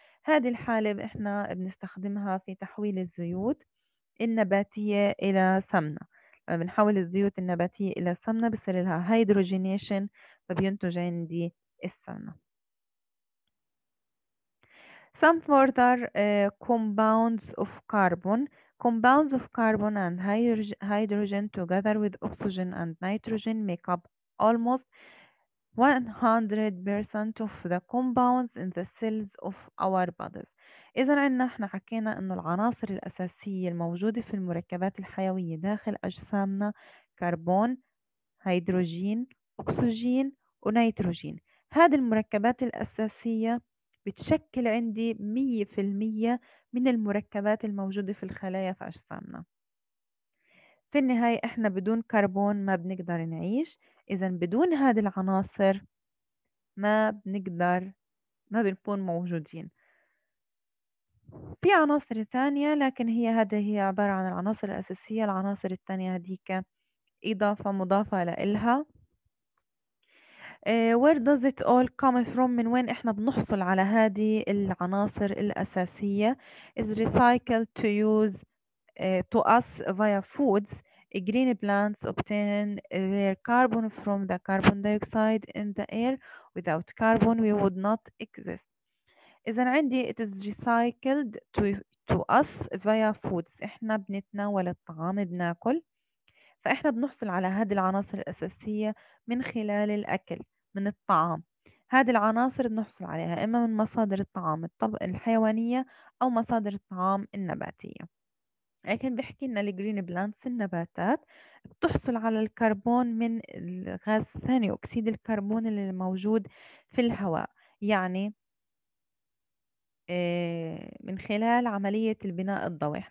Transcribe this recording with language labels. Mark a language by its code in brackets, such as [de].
[ar] هذه الحالة احنا بنستخدمها في تحويل الزيوت النباتية إلى سمنة، لما بنحول الزيوت النباتية إلى سمنة بصير لها هيدروجينيشن، فبينتج عندي السمنة. [en] Some further compounds of carbon. Compounds of carbon and hydrogen together with oxygen and nitrogen make up almost 100% of the compounds in the cells of our bodies. [ar] إذا عندنا احنا حكينا إنه العناصر الأساسية الموجودة في المركبات الحيوية داخل أجسامنا كربون، هيدروجين، أكسجين، ونيتروجين. هذه المركبات الأساسية بتشكل عندي 100% من المركبات الموجودة في الخلايا في أجسامنا. في النهاية إحنا بدون كربون ما بنقدر نعيش، إذن بدون هذه العناصر ما بنكون موجودين. في عناصر ثانية، لكن هي هذا هي عبارة عن العناصر الأساسية. العناصر الثانية هذيك إضافة مضافة لإلها. [en] Where does it all come from؟ [ar] من وين احنا بنحصل على هذه العناصر الأساسية؟ [en] Is recycled to use to us via foods. Green plants obtain their carbon from the carbon dioxide in the air. Without carbon we would not exist. [ar] إذا عندي [en] it is recycled to us via foods. [ar] احنا بنتناول الطعام بناكل، فإحنا بنحصل على هذه العناصر الأساسية من خلال الأكل، من الطعام. هذه العناصر بنحصل عليها إما من مصادر الطعام الحيوانية أو مصادر الطعام النباتية. لكن بيحكي لنا الجرين بلانتس النباتات بتحصل على الكربون من غاز ثاني أكسيد الكربون اللي موجود في الهواء، يعني من خلال عملية البناء الضوئي.